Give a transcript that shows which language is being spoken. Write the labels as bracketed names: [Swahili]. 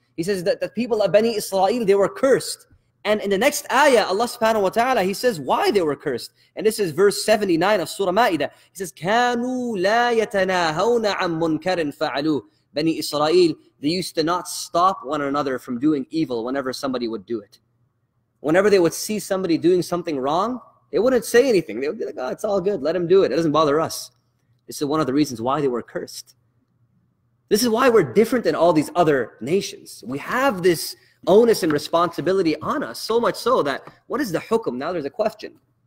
[English] He says that the people of Bani Israel, they were cursed. And in the next ayah, Allah subhanahu wa ta'ala, He says why they were cursed. And this is verse 79 of Surah Ma'idah. [Arabic] He says, كَانُوا لَا يَتَنَاهَوْنَ عَن مُنْكَرٍ فَعَلُوهُ. [English] Bani Israel, they used to not stop one another from doing evil whenever somebody would do it. Whenever they would see somebody doing something wrong, they wouldn't say anything. They would be like, oh, it's all good, let him do it. It doesn't bother us. This is one of the reasons why they were cursed. This is why we're different than all these other nations. We have this onus and responsibility on us, so much so that, what is the hukum? Now there's a question.